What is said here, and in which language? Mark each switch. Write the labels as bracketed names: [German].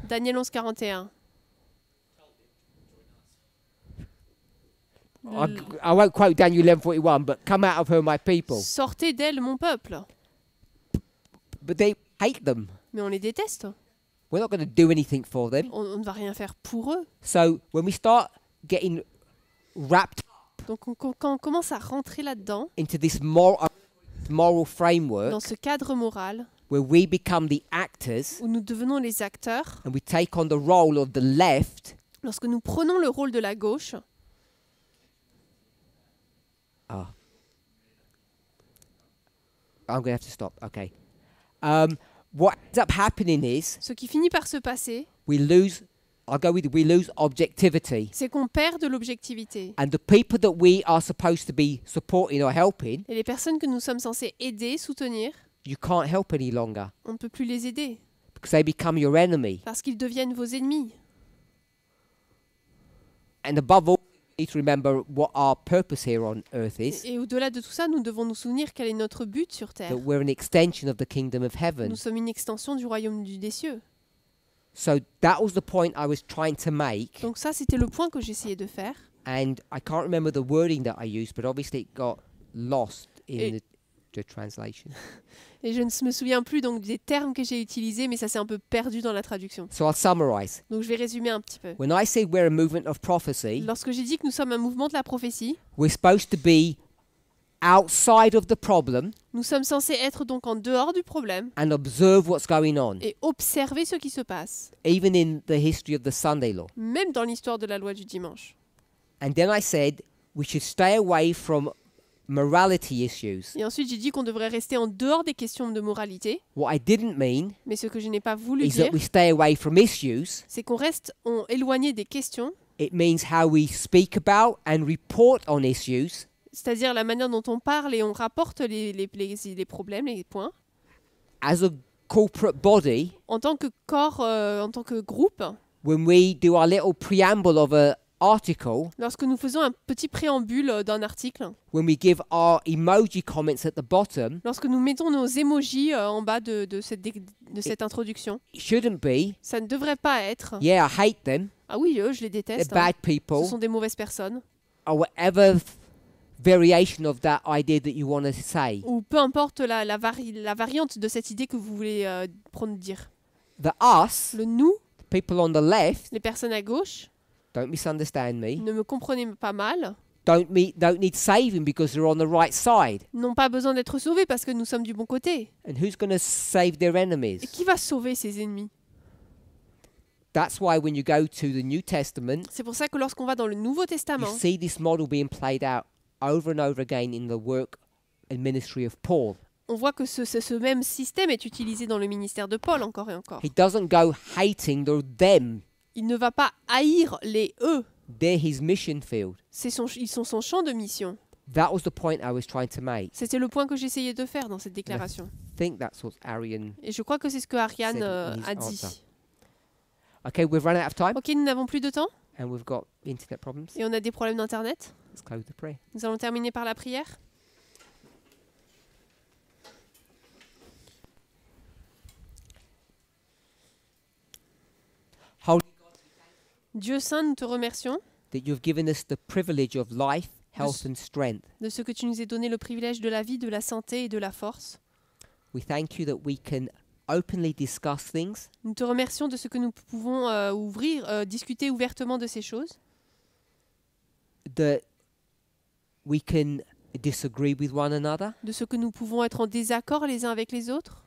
[English] I won't quote Daniel 11:41, but come out of her, my people. [French] Sortez d'elle, mon peuple. [English] But they hate them. [French] Mais on les déteste. [English] We're not going to do anything for them. [French] On ne va rien faire pour eux. [English] So when we start getting wrapped up. [French] Donc quand on commence à rentrer là-dedans. [English] Into this moral framework. [French] Dans ce cadre moral. [English] Where we become the actors. [French] Où nous devenons les acteurs. [English] And we take on the role of the left. [French] Lorsque nous prenons le rôle de la gauche. Oh. [English] I'm going to have to stop. Okay. What ends up happening is [French] ce qui finit par se passer, [English] we lose objectivity. [French] C'est qu'on perd de l'objectivité. [English] And the people that we are supposed to be supporting or helping, [French] et les personnes que nous sommes censés aider, soutenir, [English] you can't help any longer. [French] On ne peut plus les aider. [English] Because they become your enemy. [French] Parce qu'ils deviennent vos ennemis. [English] And above all, we need to remember what our purpose here on earth is. [French] Et au-delà de tout ça, nous devons nous souvenir quel est notre but sur terre. [English] That we're an extension of the kingdom of heaven. [French] Nous sommes une extension du royaume des cieux. [English] So that was the point I was trying to make. [French] Donc ça, c'était le point que j'essayais de faire. [English] And I can't remember the wording that I used, but obviously it got lost in the translation. [French] Et je ne me souviens plus donc des termes que j'ai utilisés, mais ça s'est un peu perdu dans la traduction. [English] So I'll summarize. [French] Donc je vais résumer un petit peu. [English] When I say we're a movement of prophecy, [French] lorsque j'ai dit que nous sommes un mouvement de la prophétie, [English] we're supposed to be outside of the problem. [French] Nous sommes censés être donc en dehors du problème. [English] And observe what's going on. [French] Et observer ce qui se passe. [English] Even in the history of the Sunday law. [French] Même dans l'histoire de la loi du dimanche. [English] And then I said we should stay away from morality issues. [French] Et ensuite, j'ai dit qu'on devrait rester en dehors des questions de moralité. [English] What I didn't mean, [French] mais ce que je n'ai pas voulu [English] is [French] dire, [English] that we stay away from issues, [French] c'est qu'on reste en éloigné des questions. [English] It means how we speak about and report on issues. [French] C'est-à-dire la manière dont on parle et on rapporte les problèmes, les points. [English] As a corporate body, [French] en tant que corps, en tant que groupe, [English] when we do our little preamble of a article, [French] lorsque nous faisons un petit préambule d'un article, [English] when we give our emoji comments at the bottom, [French] lorsque nous mettons nos emojis en bas de cette introduction, [English] it shouldn't be, [French] ça ne devrait pas être. [English] Yeah, I hate them. [French] Ah oui, je les déteste. [English] They're bad people. [French] Ce sont des mauvaises personnes. [English] Or whatever variation of that idea that you want to say. [French] Ou peu importe la variante de cette idée que vous voulez prendre dire. [English] The us. [French] Le nous. [English] The people on the left. [French] Les personnes à gauche. [English] Don't misunderstand me. [French] Ne me comprenez pas mal. [English] Don't need saving because they're on the right side. [French] N'ont pas besoin d'être sauvés parce que nous sommes du bon côté. [English] And who's going to save their enemies? [French] Et qui va sauver ses ennemis? [English] That's why when you go to the New Testament. [French] C'est pour ça que lorsqu'on va dans le Nouveau Testament. [English] You see this model being played out over and over again in the work and ministry of Paul. [French] On voit que ce même système est utilisé dans le ministère de Paul encore et encore. [English] He doesn't go hating the them. [French] Il ne va pas haïr les eux. [English] They're his mission field. [French] Ils sont son champ de mission. [English] That was the point I was trying to make. [French] C'était le point que j'essayais de faire dans cette déclaration. [English] And I think that's what Ariane. [French] Et je crois que c'est ce que Ariane a dit. [English] Okay, we've run out of time. [French] Okay, nous n'avons plus de temps. [English] And we've got internet problems. [French] Et on a des problèmes d'internet. [English] Let's close the prayer. [French] Nous allons terminer par la prière. Dieu Saint, nous te remercions [English] that you've given us the privilege of life, health and strength. [French] De ce que tu nous as donné le privilège de la vie, de la santé et de la force. [English] We thank you that we can openly discuss things. [French] Nous te remercions de ce que nous pouvons discuter ouvertement de ces choses. [English] That we can disagree with one another. [French] De ce que nous pouvons être en désaccord les uns avec les autres.